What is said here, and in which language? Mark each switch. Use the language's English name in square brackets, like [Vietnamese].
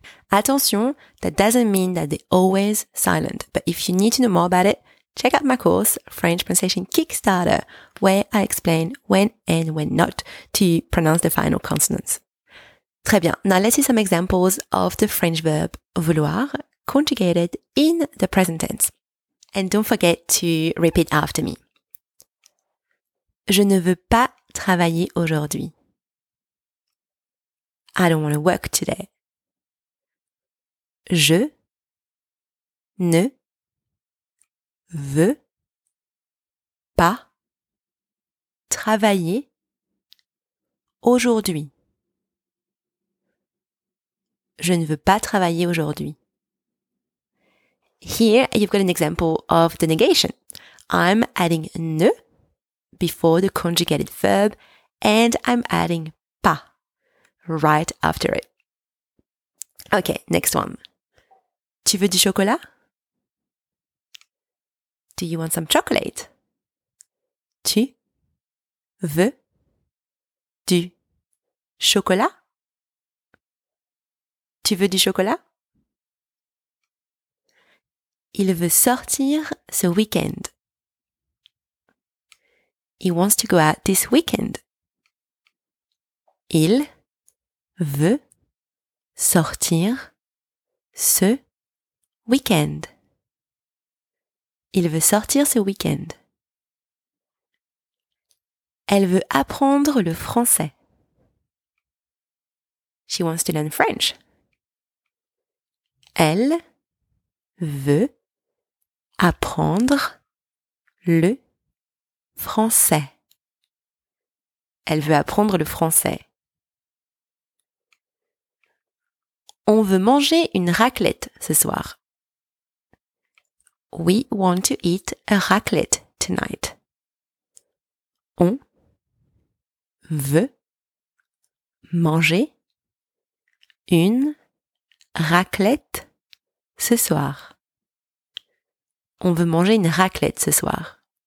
[English] Attention, that doesn't mean that they're always silent, but if you need to know more about it, check out my course, French Pronunciation Kickstarter, where I explain when and when not to pronounce the final consonants. [French] Très bien. [English] Now let's see some examples of the French verb vouloir conjugated in the present tense. And don't forget to repeat after me. [French] Je ne veux pas travailler aujourd'hui. [English] I don't want to work today. [French] Je ne veux pas travailler aujourd'hui. Je ne veux pas travailler aujourd'hui. [English] Here, you've got an example of the negation. I'm adding ne before the conjugated verb and I'm adding pas right after it. Okay, next one. [French] Tu veux du chocolat? [English] Do you want some chocolate? [French] Tu veux du chocolat? Tu veux du chocolat? Il veut sortir ce week-end. [English] He wants to go out this weekend. [French] Il veut sortir ce week-end. Il veut sortir ce week-end. Elle veut apprendre le français. [English] She wants to learn French. [French] Elle veut apprendre le français. Elle veut apprendre le français. On veut manger une raclette ce soir. [English] We want to eat a raclette tonight. [French] On veut manger une raclette ce soir. On veut manger une raclette ce soir.